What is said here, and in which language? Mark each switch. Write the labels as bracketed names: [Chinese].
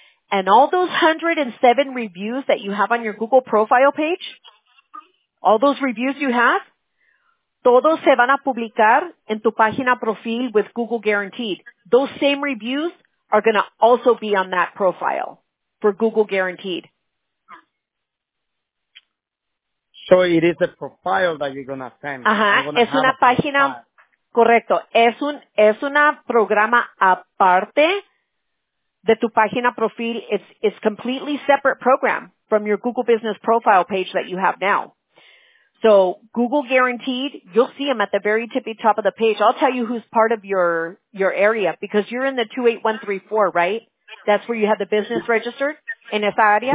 [English] And all those 107 reviews that you have on your Google profile page, all those reviews you have, [Spanish] todos se van a publicar en tu página profil [English] with Google Guaranteed. Those same reviews are going to also be on that profile for Google Guaranteed. So it is a profile that you're going to send. [Spanish] Ajá, es una página, correcto. Es una programa aparte de tu página profil. [English] It's completely separate program from your Google Business profile page that you have now. So Google Guaranteed, you'll see them at the very tippy top of the page. I'll tell you who's part of your area because you're in the 28134, right? That's where you have the business registered in esa area?